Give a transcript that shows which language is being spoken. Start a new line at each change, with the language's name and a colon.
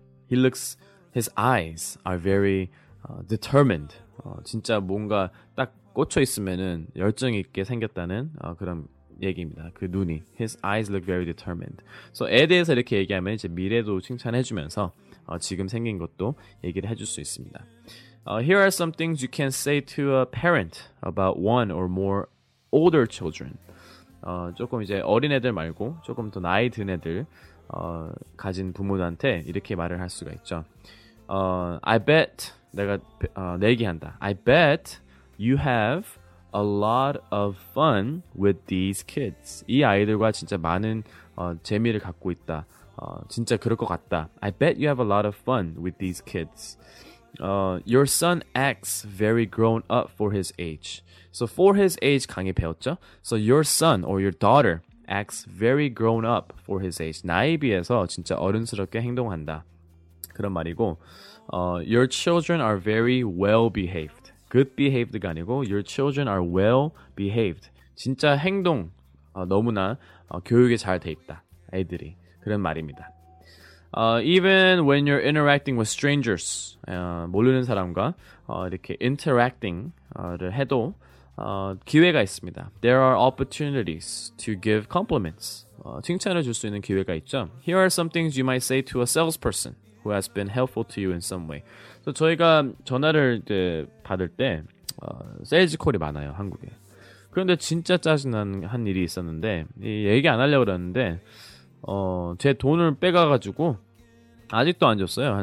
English: His eyes are very determined.
Korean: 진짜 뭔가 딱 꽂혀 있으면은 열정 있게 생겼다는 그런 얘기입니다. 그 눈이
English: His eyes look very determined.
Korean: So 애에 대해서 이렇게 얘기하면 이제 미래도 칭찬해주면서 지금 생긴 것도 얘기를 해줄 수 있습니다.
English: Here are some things you can say to a parent about one or more older children.
Korean: 조금 이제 어린 애들 말고 조금 더 나이 든 애들 가진 부모들한테 이렇게 말을 할 수가 있죠.
English: I bet
Korean: 내가 내 얘기한다.
English: I bet you have a lot of fun with these kids.
Korean: 이 아이들과 진짜 많은 재미를 갖고 있다. 진짜 그럴 것 같다.
English: I bet you have a lot of fun with these kids. Your son acts very grown up for his age. So for his age
Korean: 강의 배웠죠?
English: So your son or your daughter acts very grown up for his age.
Korean: 나이 비해서 진짜 어른스럽게 행동한다. 그런 말이고
English: your children are very well behaved. Good behaved가 아니고 your children are well behaved.
Korean: 진짜 행동 너무나 교육에 잘 돼 있다. 애들이. 그런 말입니다.
English: Even when you're interacting with strangers,
Korean: 모르는 사람과 이렇게 interacting를 해도 기회가 있습니다.
English: There are opportunities to give compliments.
Korean: 칭찬을 줄 수 있는 기회가 있죠.
English: Here are some things you might say to a salesperson who has been helpful to you in some way.
Korean: So 저희가 전화를 받을 때 세일즈 콜이 많아요, 한국에. 그런데 진짜 짜증난 일이 있었는데 얘기 안 하려고 그러는데 제 돈을 빼가가지고 아직도 안 줬어요.